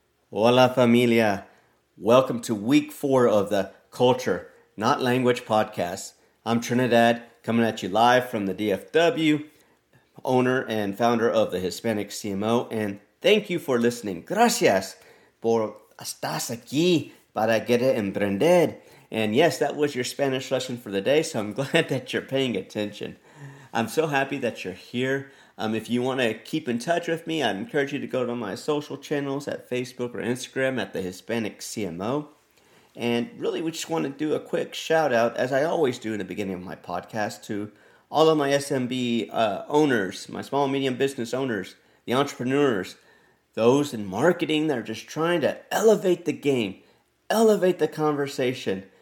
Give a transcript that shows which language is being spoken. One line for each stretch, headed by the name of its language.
Spanish: Hola, familia.
English: Welcome to week 4 of the Culture, Not Language podcast. I'm Trinidad, coming at you live from the DFW, owner and founder of the Hispanic CMO, and thank you for listening.
Spanish: Gracias por estás aquí para querer emprender.
English: And yes, that was your Spanish lesson for the day, so I'm glad that you're paying attention. I'm so happy that you're here. If you want to keep in touch with me, I'd encourage you to go to my social channels at Facebook or Instagram at the Hispanic CMO. And really, we just want to do a quick shout out, as I always do in the beginning of my podcast, to all of my SMB owners, my small and medium business owners, the entrepreneurs, those in marketing that are just trying to elevate the game, elevate the conversation.